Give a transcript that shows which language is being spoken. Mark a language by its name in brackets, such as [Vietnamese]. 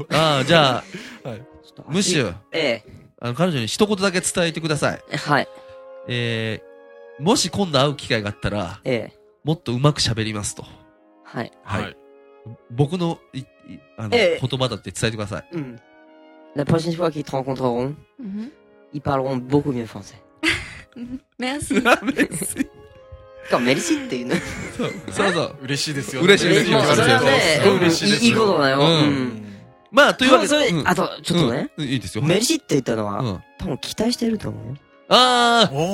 [Japanese] あじゃあムッシュ、あの彼女に一言だけ伝えてください、はい、もし今度会う機会があったら、もっとうまく喋りますと、はいはい、僕の、あの、言葉だって伝えてください、 [French] La prochaine fois qu'ils te rencontreront ils parleront beaucoup mieux français merci merci comme merci [Japanese] っていうね、そうそう嬉しいですよ、嬉しい嬉しい、それはね、いいことだよ、まあというわけで、あとちょっとね、いいですよ、メルシって言ったのは多分期待してると思う、ああ